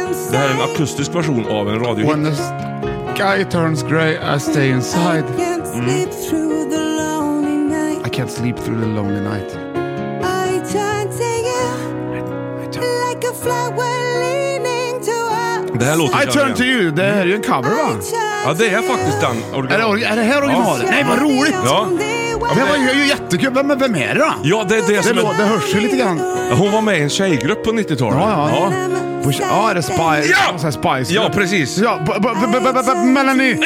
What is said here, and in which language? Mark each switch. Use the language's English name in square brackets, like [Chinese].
[Swedish] Det här är en akustisk version av en radiohit. [English] Sky turns gray, I stay inside. I can't sleep through the lonely night. I can't sleep through the lonely night. I turn to you like a flower leaning to us. [Swedish] Det här låter [English] I turn to you. [Swedish] Det här är ju en cover, va? Ja, det är faktiskt den originalen. Är det här originalet? Ja. Nej, vad roligt. Ja. Det var ju jättekul. Vem är det då? Ja, det är det som är... Det hörs ju lite grann. Hon var med i en tjejgrupp på 90-talet. Ja, ja, ja. Ja, är det Spice? Ja! Spice. Ja, precis. Ja, Melanie.